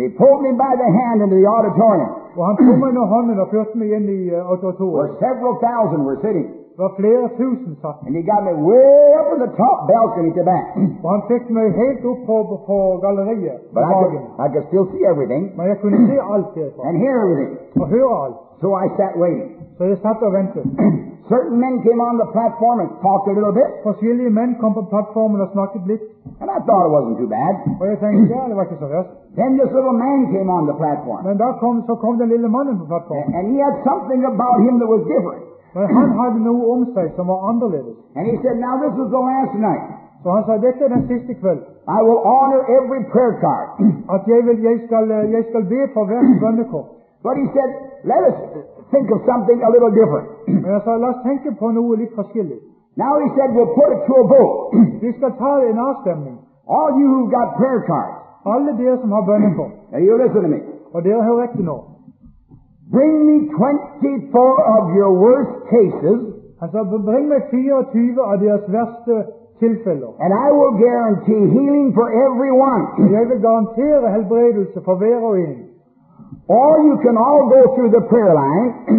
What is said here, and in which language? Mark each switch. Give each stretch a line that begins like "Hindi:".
English: And he pulled me by the hand into the auditorium.
Norwegian: Og han tok meg under hånden og førte meg inn i auditoriet.
English: Where several thousand were sitting.
Norwegian: Og flere tusen satt.
English: And he got me way up on the top balcony to back.
Norwegian: Og han fikk meg helt opp på galleriet.
English: But I could still see everything.
Norwegian: Men jeg kunne se alt det.
English: And hear everything.
Norwegian: Og høre alt.
English: So I sat waiting.
Norwegian: Så jeg satt og ventet.
English: Certain men came on the platform and talked a little bit.
Norwegian: Forskjellige menn kom på plattformen og snakket litt.
English: And I thought it wasn't too bad.
Norwegian: Og jeg tenkte, ja, det var ikke så verst.
English: Then this little man came on the platform.
Norwegian: Men da kom den lille mannen på plattformen.
English: And he had something about him that was different.
Norwegian: Men han hadde noe om seg som var annerledes.
English: And he said, "Now this is the last night."
Norwegian: Så han sa, dette den siste kveld.
English: "I will honor every prayer card."
Norwegian: At jeg skal be for hver bønnekort.
English: But he said, "Let us think of something a little different."
Norwegian: Men han sa, la oss tenke på noe litt forskjellig.
English: Now he said, "We'll put it to a vote."
Norwegian: Vi skal ta en avstemning.
English: All you who've got prayer cards.
Norwegian: Alle dere som har bønnekort.
English: Now you listen to me.
Norwegian: Og dere hører etter nå.
English: Bring me 24 of your worst cases.
Norwegian: Altså,
English: bring me
Norwegian: 24 av deres verste tilfeller.
English: And I will guarantee healing for everyone.
Norwegian: Jeg vil garantere helbredelse for hver og en.
English: Or you can all go through the prayer line.